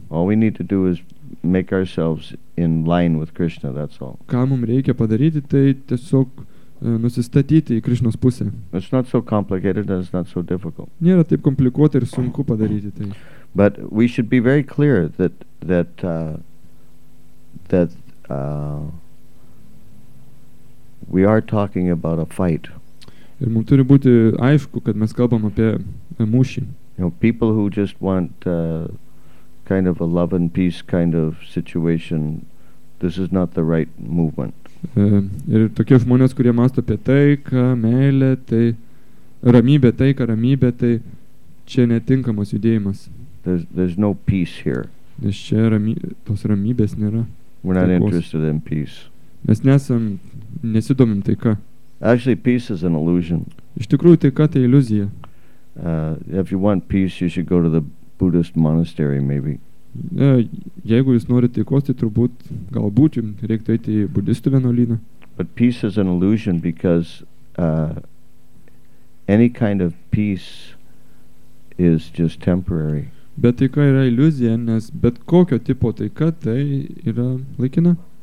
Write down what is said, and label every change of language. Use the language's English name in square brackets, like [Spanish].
[English] All we need to do is make ourselves in line with Krishna, that's all. [Lithuanian] Ką mums reikia padaryti, tai tiesiog nusistatyti į Krishnos pusę. [English] It's not so complicated and it's not so difficult. [Lithuanian] Nėra taip komplikuota ir sunku padaryti tai. [English] But we should be very clear that we are talking about a fight. [Lithuanian] Ir mums turi būti aišku, kad mes kalbam apie mūšį. [English] You know, people who just want kind of a love and peace kind of situation, this is not the right movement. [Lithuanian] Ir tokie žmonės, kurie masto apie taiką, meilę, tai ramybę, taiką, ramybę, tai čia netinkamas judėjimas. [English] There's no peace here. [Lithuanian] Nes čia tos ramybės nėra. [English] We're not interested in peace. [Lithuanian] Mes nesam, nesidomim taiką. [English] Actually, peace is an illusion. [Lithuanian] Iš tikrųjų, taika tai iliuzija. [English] If you want peace, you should go to the Buddhist monastery, maybe. [Lithuanian] Jeigu jūs norite taikos, tai turbūt, galbūt jums reiktų eiti į budistų vienuolyną. [English] But peace is an illusion because any kind of peace is just temporary. [Lithuanian] Bet taika yra iliuzija, nes bet kokio tipo taika tai yra laikina.